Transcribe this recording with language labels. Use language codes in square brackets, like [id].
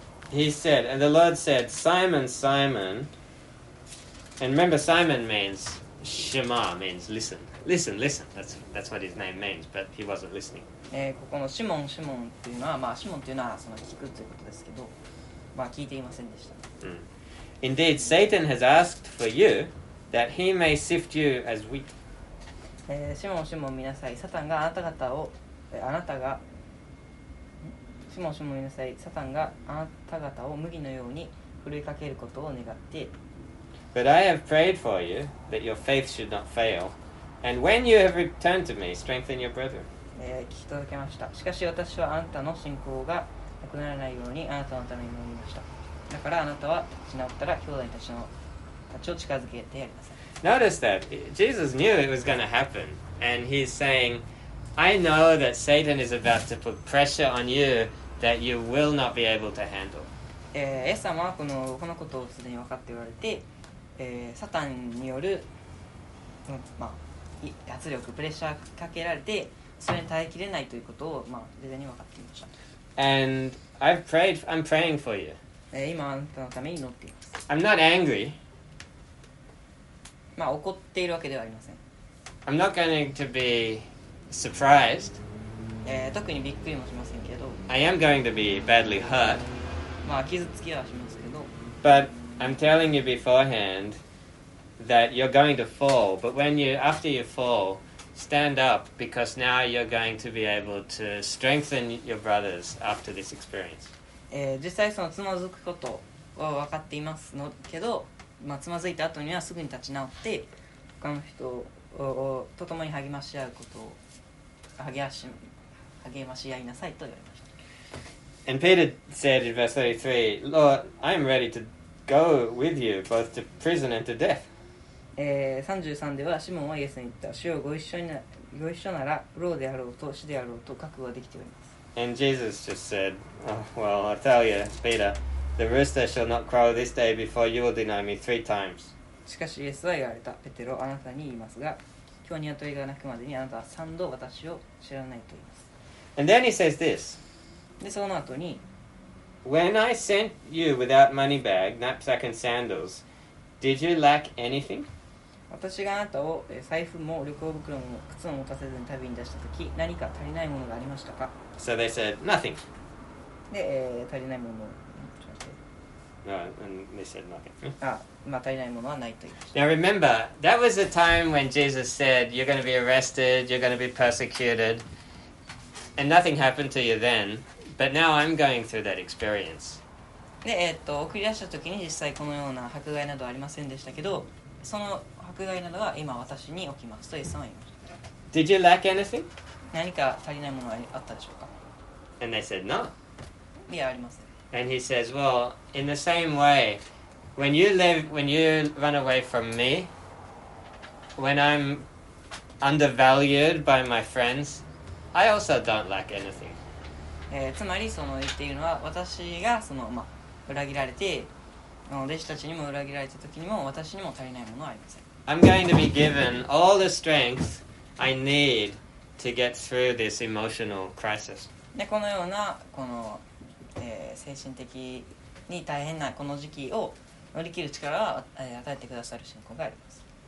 [en] He said, and the Lord said, Simon, Simon. And remember, Simon means Shema, means listen. Listen, listen. That's what his name means, but he wasn't listening. [ja] ここのシモン、シモンっていうのは、まあシモンっていうのはその聞くということですけど、まあ聞いていませんでした。 [en] Indeed, Satan has asked for you that he may sift you as wheat. [ja] シモン、シモン、見なさい。サタンがあなた方を、あなたが、シモン、シモン、見なさい。サタンがあなた方を麦のように振りかけることを願って。 [en] But I have prayed for you that your faith should not fail, and when you have returned to me, strengthen your brethren. [ja] 聞き届けました。しかし私はあなたの信仰がなくならないようにあなたのために祈りました。だからあなたは立ち直ったら兄弟たちのたちを近づけてやりなさい。 [en] Notice that Jesus knew it was going to happen, and he's saying, "I know that Satan is about to put pressure on you that you will not be able to handle." [ja] イエス様はこのことをすでに分かっておられて、サタンによる、圧力、プレッシャーかけられて、それに耐えきれないということを事前に分かっていました。 [en] And I'm praying for you. [ja] 今あなたのために祈っています。 [en] I'm not angry. [ja] 怒っているわけではありません。 [en] I'm not going to be surprised. [ja] 特にびっくりもしませんけど。 [en] I am going to be badly hurt. [ja] 傷つきはしますけど。 [en] But I'm telling you beforehand that you're going to fall. But when you, after you fall, stand up because now you're going to be able to strengthen your brothers after this experience. [ja] 実際そのつまずくことは分かっていますのけど、つまずいた後にはすぐに立ち直って他の人と共に励まし合うことを励まし合いなさいと言われました。 [en] And Peter said in verse 33, Lord, I am ready to go with you both to prison and to death. [ja] 33ではシモンはイエスに言った。主よ、ご一緒なら牢であろうと死であろうと覚悟ができております。 [en] And Jesus just said, oh, well, I tell you, Peter, the rooster shall not crow this day before you will deny me three times. [ja] しかしイエスは言われた。ペテロ、あなたに言いますが、今日ニワトリが鳴くまでにあなたは三度私を知らないと言います。 [en] And then he says this. [ja] で、その後に、 [en] When I sent you without money bag, knapsack and sandals, did you lack anything? [ja] 私があなたを財布も旅行袋も靴も持たせずに旅に出したとき、何か足りないものがありましたか？ [en] So they said, nothing. [ja] で、足りないものを持ちまして。 [en] No, and they said nothing. [ja] あ、足りないものはないと言いました。 [en] Now remember, that was the time when Jesus said, you're going to be arrested, you're going to be persecuted, and nothing happened to you then, but now I'm going through that experience. [ja] で、送り出したときに実際このような迫害などありませんでしたけど、その迫害などは今私に起きますとイエス様は言いました。 [en] Did you lack anything? [ja] 何か足りないものはあったでしょうか。 [en] And they said, no. [ja] いや、ありません。 [en] And he says, well, in the same way, when you run away from me, when I'm undervalued by my friends, I also don't lack anything. [ja] つまりその言っているのは、私がその裏切られて、弟子たちにも裏切られた時にも、私にも足りないものはありません。 [en] I'm going to be given all the strength I needto get through this emotional crisis. [ja] で、このようなこの、精神的に大変なこの時期を乗り切る力は、与えてくださる信仰があります。